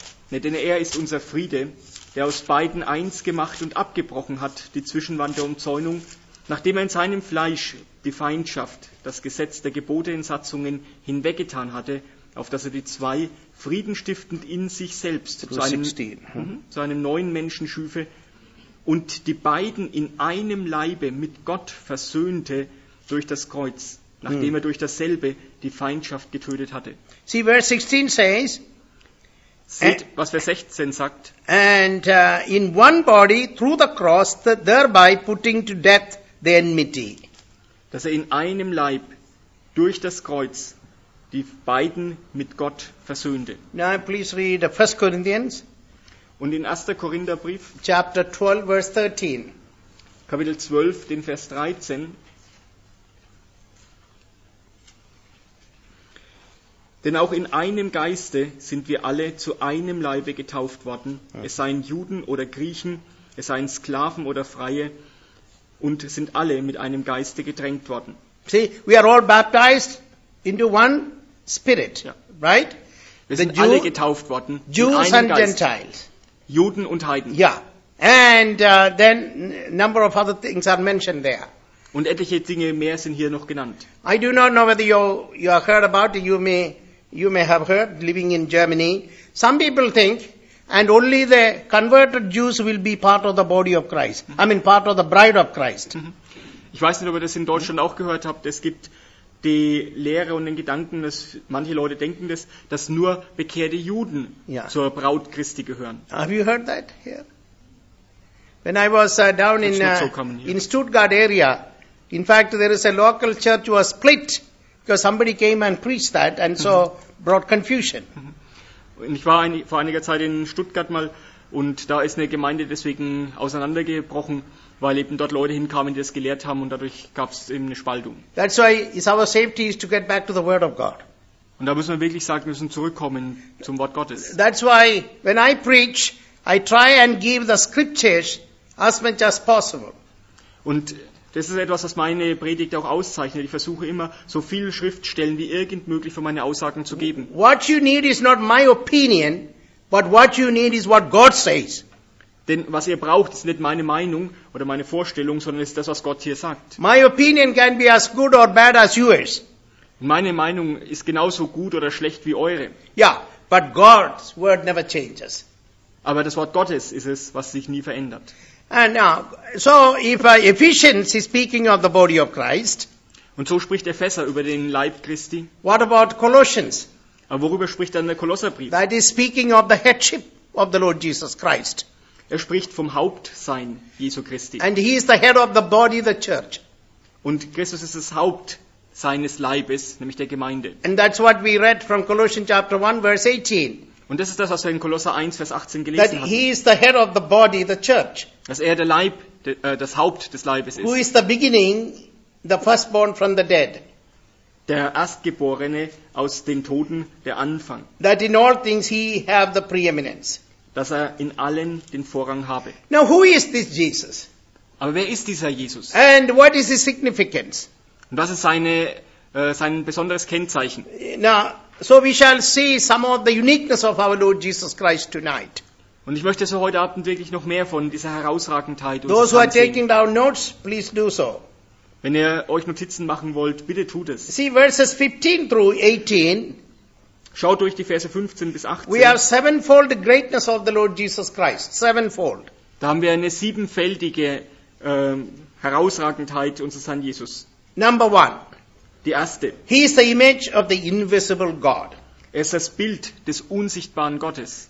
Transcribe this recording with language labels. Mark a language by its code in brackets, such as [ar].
[de] Denn er ist unser Friede, der aus beiden eins gemacht und abgebrochen hat, die Zwischenwand der Umzäunung, nachdem er in seinem Fleisch die Feindschaft, das Gesetz der Gebote in Satzungen hinweggetan hatte, auf dass er die zwei friedenstiftend in sich selbst zu einem neuen Menschen schüfe und die beiden in einem Leibe mit Gott versöhnte durch das Kreuz, nachdem er durch dasselbe die Feindschaft getötet hatte. [en] See, verse 16 says, [de] seht, was Vers 16 sagt. [en] And in one body through the cross, thereby putting to death the enmity. [de] Dass er in einem Leib durch das Kreuz die beiden mit Gott versöhnte. [en] Now please read 1 Corinthians. [de] Und in 1. Korintherbrief. [en] Chapter 12, verse 13. [de] Kapitel 12, den Vers 13. Denn auch in einem Geiste sind wir alle zu einem Leibe getauft worden. Es seien Juden oder Griechen, es seien Sklaven oder Freie und sind alle mit einem Geiste getränkt worden. [en] See, we are all baptized into one spirit, ja. Right? [de] Wir sind alle getauft worden [en] Jews [de] in einem Geist. [en] And Gentiles. [de] Juden und Heiden. [en] Yeah. And then number of other things are mentioned there. [de] Und etliche Dinge mehr sind hier noch genannt. [en] I do not know whether you have heard about it. You may have heard, living in Germany. Some people think, and only the converted Jews will be part of the body of Christ. I mean, part of the bride of Christ. [de] Ich weiß nicht, ob ihr das in Deutschland auch gehört habt. Es gibt die Lehre und den Gedanken, dass manche Leute denken, dass nur bekehrte Juden zur Braut Christi gehören. [en] Have you heard that here? When I was down in Stuttgart area, in fact, there is a local church who was split because somebody came and preached that and so brought confusion. [de] Ich war vor einiger Zeit in Stuttgart mal und da ist eine Gemeinde deswegen auseinandergebrochen, weil eben dort Leute hinkamen, die das gelehrt haben und dadurch gab es eben eine Spaltung. [en] That's why it's our safety is to get back to the Word of God. [de] Und da müssen wir wirklich sagen, wir müssen zurückkommen zum Wort Gottes. [en] That's why when I preach, I try and give the scriptures as much as possible. [de] Und das ist etwas, was meine Predigt auch auszeichnet. Ich versuche immer, so viele Schriftstellen wie irgend möglich für meine Aussagen zu geben. [en] What you need is not my opinion, but what you need is what God says. [de] Denn was ihr braucht, ist nicht meine Meinung oder meine Vorstellung, sondern ist das, was Gott hier sagt. [en] My opinion can be as good or bad as yours. [de] Meine Meinung ist genauso gut oder schlecht wie eure. [en] Yeah, but God's word never changes. [de] Aber das Wort Gottes ist es, was sich nie verändert. [en] And now, so if Ephesians is speaking of the body of Christ. [de] Und so spricht Epheser über den Leib Christi. [en] What about Colossians? [de] Aber worüber spricht dann der Kolosserbrief? [en] That is speaking of the headship of the Lord Jesus Christ. [de] Er spricht vom Hauptsein Jesu Christi. [en] And he is the head of the body, the church. [de] Und Christus ist das Haupt seines Leibes, nämlich der Gemeinde. [en] And that's what we read from Colossians chapter 1 verse 18. [de] Und das ist das, was wir in Kolosser 1 vers 18 gelesen haben. [en] That he is the head of the body, the church. [de] Dass er der Leib, das Haupt des Leibes ist. [en] Who is the beginning, the firstborn from the dead. [de] Der Erstgeborene aus den Toten, der Anfang. [en] That in all things he have the preeminence. [de] Dass er in allen den Vorrang habe. [en] Now who is this Jesus? [de] Aber wer ist dieser Jesus? [en] And what is his significance? [de] Und was ist sein besonderes Kennzeichen? [en] Now, so we shall see some of the uniqueness of our Lord Jesus Christ tonight. [de] Und ich möchte so heute Abend wirklich noch mehr von dieser Herausragendheit. [en] Those who are taking down notes, please do so. [de] Wenn ihr euch Notizen machen wollt, bitte tut es. [en] See verses 15 through 18. [de] Schaut durch die Verse 15 bis 18. [en] We have sevenfold greatness of the Lord Jesus Christ. Sevenfold. [de] Da haben wir eine siebenfältige Herausragendheit unseres Herrn Jesus. [en] Number one. [de] Die erste. [en] He is the image of the invisible God. [de] Er ist das Bild des unsichtbaren Gottes.